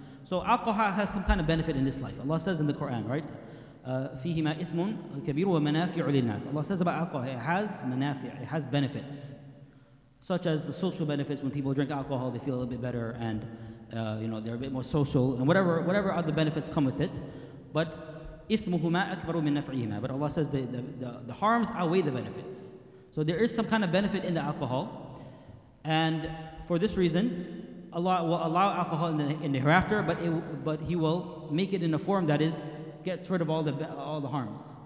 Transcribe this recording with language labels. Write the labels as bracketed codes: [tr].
[en] So alcohol has some kind of benefit in this life. Allah says in the Quran, right? [ar] فِيهِمَا إِثْمٌ كَبِيرٌ وَمَنَافِعُ لِلنَّاسِ. [en] Allah says about alcohol, it has manafi', it has benefits, such as the social benefits. When people drink alcohol, they feel a little bit better, and you know, they're a bit more social, and whatever other benefits come with it. [ar] But إِثْمُهُمَا أَكْبَرُ مِنْ نَفْعِهِمَا. [en] But Allah says the harms outweigh the benefits. So there is some kind of benefit in the alcohol, and for this reason, Allah will allow alcohol in the hereafter, but he will make it in a form that is gets rid of all the harms.